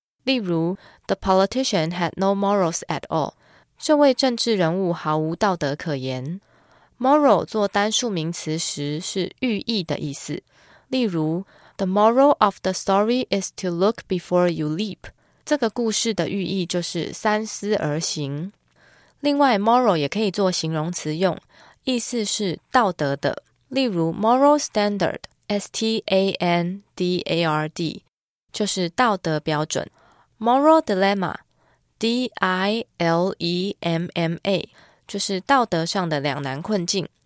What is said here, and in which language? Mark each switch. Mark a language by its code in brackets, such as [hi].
[zh] 例如 [en] The politician had no morals at all. [zh] 这位政治人物毫无道德可言。 Moral 做单数名词时是寓意的意思。例如 [en] The moral of the story is to look before you leap. [zh] 这个故事的寓意就是三思而行。另外 moral 也可以做形容词用，意思是道德的，例如 moral standard, standard, 就是道德标准。 moral dilemma, dilemma, 就是道德上的两难困境。